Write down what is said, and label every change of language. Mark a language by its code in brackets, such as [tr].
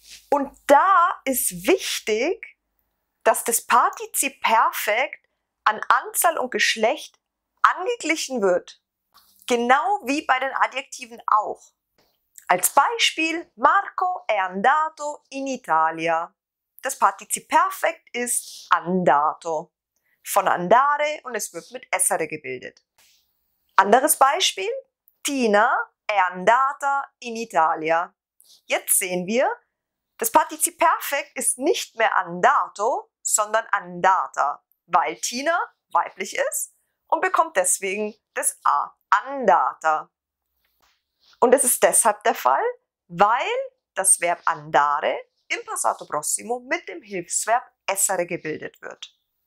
[de] Und da ist wichtig, dass das Partizip Perfekt an Anzahl und Geschlecht angeglichen wird. Genau wie bei den Adjektiven auch. Als Beispiel, [it] Marco è andato in Italia. [de] Das Partizip Perfekt ist andato. Von andare und es wird mit essere gebildet. Anderes Beispiel, [it] Tina è andata in Italia. [de] Jetzt sehen wir, das Partizip Perfekt ist nicht mehr andato, sondern andata, weil Tina weiblich ist und bekommt deswegen das A, andata. Und es ist deshalb der Fall, weil das Verb andare im Passato Prossimo mit dem Hilfsverb essere gebildet wird.